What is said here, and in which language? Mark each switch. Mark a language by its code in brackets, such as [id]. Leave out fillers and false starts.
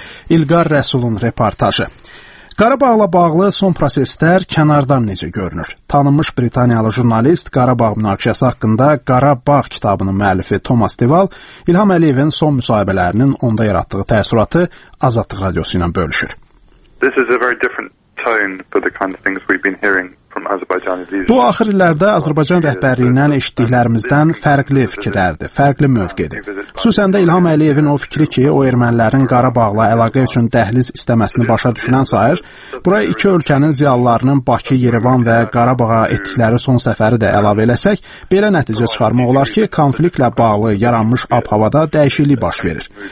[az] İlqar Rəsulun reportajı. Qarabağla bağlı son proseslər kənardan necə görünür? Tanınmış Britaniyalı jurnalist Qarabağ münaqişəsi haqqında Qarabağ kitabının müəllifi Thomas Deval İlham Əliyevin son müsahibələrinin onda yaratdığı təəssüratı Azadlıq Radiosu ilə bölüşür. [en] This is a very different tone for the kind of things we've been hearing. [az] Bu axır illərdə Azərbaycan rəhbərliyindən eşitdiklərimizdən fərqli fikirlərdir, fərqli mövqedir. Xüsusən də İlham Əliyevin o fikri ki, o ermənilərin Qarabağla əlaqə üçün dəhliz istəməsini başa düşünən sayır, bura iki ölkənin ziyalılarının Bakı, Yerevan və Qarabağa etdikləri son səfəri də əlavə eləsək, belə nəticə çıxarmaq olar ki, konfliktlə bağlı yaranmış ab-havada dəyişiklik baş verir.